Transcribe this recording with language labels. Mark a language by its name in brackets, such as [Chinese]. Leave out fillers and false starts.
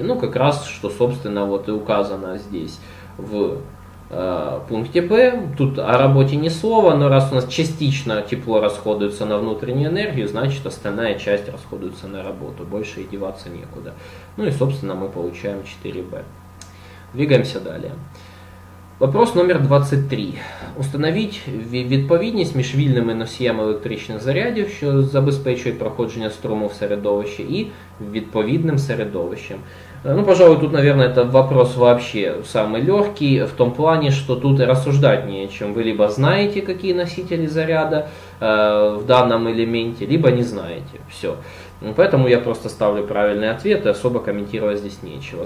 [Russian] Ну как раз, что собственно вот и указано здесь. В пункте Б тут о работе ни слова, но раз у нас частично тепло расходуется на внутреннюю энергию, значит остальная часть расходуется на работу, больше и деваться некуда. Ну и собственно мы получаем 4b. Двигаемся далее. Вопрос номер 23. [Ukrainian] Установить відповідність між вільними носіями електричних зарядів, що забезпечують проходження струму в середовище, і відповідним середовищем. [Russian] Ну, пожалуй, тут, наверное, это вопрос вообще самый легкий, в том плане, что тут и рассуждать не о чем. Вы либо знаете, какие носители заряда в данном элементе, либо не знаете. Все. Поэтому я просто ставлю правильный ответ, и особо комментировать здесь нечего.